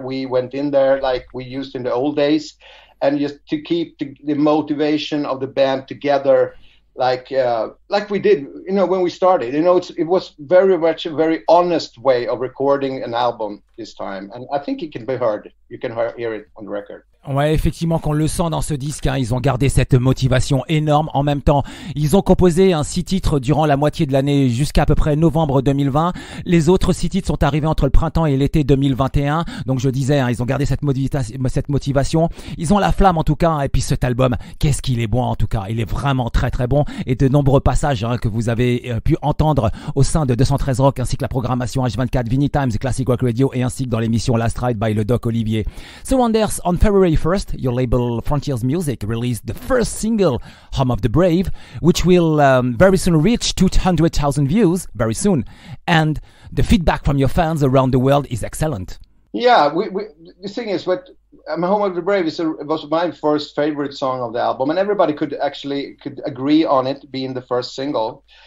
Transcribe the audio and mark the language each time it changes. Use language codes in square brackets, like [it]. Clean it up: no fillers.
[en] We went in there like we used in the old days, and just to keep the motivation of the band together. Like we did, you know, when we started, you know, it was very much a very honest way of recording an album this time. And I think it can be heard. You can hear it on the record. [fr] Ouais, effectivement, qu'on le sent dans ce disque, hein, ils ont gardé cette motivation énorme. En même temps, ils ont composé un 6 titres durant la moitié de l'année jusqu'à à peu près novembre 2020. Les autres 6 titres sont arrivés entre le printemps et l'été 2021. Donc je disais, hein, ils ont gardé cette motivation. Ils ont la flamme en tout cas. Et puis cet album, qu'est-ce qu'il est bon en tout cas. Il est vraiment très très bon. Et de nombreux passages, hein, que vous avez pu entendre au sein de 213 Rock, ainsi que la programmation H24, Vinylestimes, Classic Rock Radio, et ainsi que dans l'émission Last Ride by le Doc Olivier. [en] So Anders, on February 1st, your label Frontiers Music released the first single, Home of the Brave, which will very soon reach 200,000 views, very soon. And the feedback from your fans around the world is excellent. Yeah, the thing is, Home of the Brave was my first favorite song of the album, and everybody could agree on it being the first single.